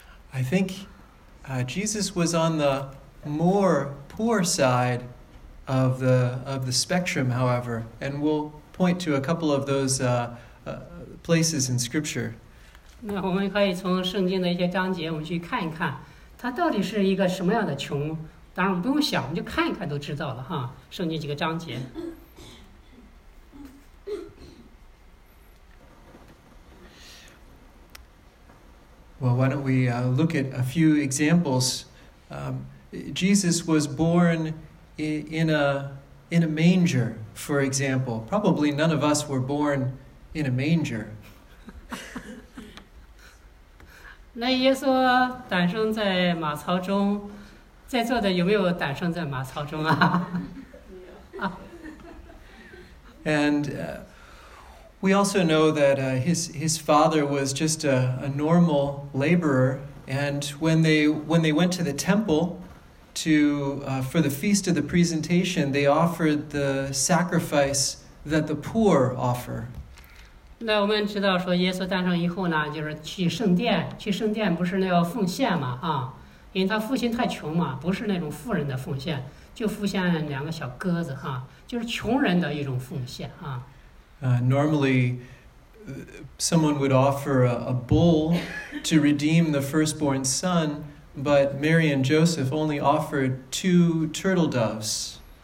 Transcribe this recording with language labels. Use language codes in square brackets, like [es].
[en] I think Jesus was on the more poor side of the spectrum, however, and we'll point to a couple of those places in Scripture. [zh] 那我们可以从圣经的一些章节，我们去看一看，他到底是一个什么样的穷。当然我们不用想，我们就看一看都知道了哈，圣经几个章节。 [en] Well, why don't we look at a few examples? Jesus was born in a manger, for example. Probably none of us were born in a manger. [zh] 那耶稣诞生在马槽中。在座的有没有诞生在马槽中啊？ [en] And we also know that his father was just a normal laborer, and when they went to the temple to for the feast of the presentation, they offered the sacrifice that the poor offer. [zh] 那我们知道说耶稣诞生以后呢，就是去圣殿，去圣殿不是那要奉献嘛，啊。因为他父亲太穷嘛，不是那种富人的奉献，就奉献两个小鸽子哈，就是穷人的一种奉献啊。 [en] Normally, someone would offer a bull to redeem the firstborn son, but Mary and Joseph only offered two turtle doves.